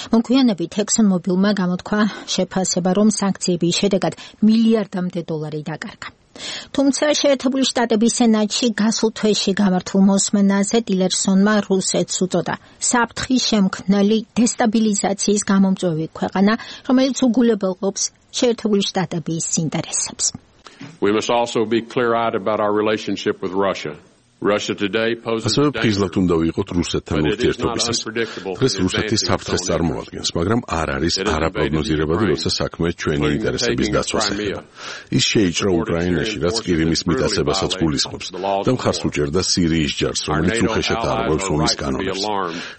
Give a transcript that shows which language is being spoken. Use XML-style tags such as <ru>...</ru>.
<ka>მოგვიანებით Exxon Mobil-მა გამოთქვა შეფასება, რომ სანქციების შედეგად მილიარდამდე დოლარი დაკარგა. თუმცა შეერთებული შტატების სენატში გასულ თვეში გამართულ მოსმენაზე ტილერსონმა რუსეთს უწოდა საფრთხის შემქმნელი დესტაბილიზაციის გამომწვევი ქვეყანა, რომელიც უგულებელყოფს შეერთებული შტატების ინტერესებს.</ka> <en>We must also be clear-eyed about our relationship with Russia.</en> <ka>ასევე ფიზლად უნდა ვიყოთ რუსეთთან ურთიერთობისას. დღეს რუსეთის საფრთხეს წარმოადგენს, მაგრამ არ არის არაპროგნოზირებადი, როცა საქმე ჩვენი ინტერესების დაცვას ეხება. ის შეიჭრა უკრაინაში, რაც კირიმის მიტაცებასაც გულისხმობს, და მხარს უჭერდა სირიის ჯარს, რომელიც უხეშად არღვევს ომის კანონებს.</ka>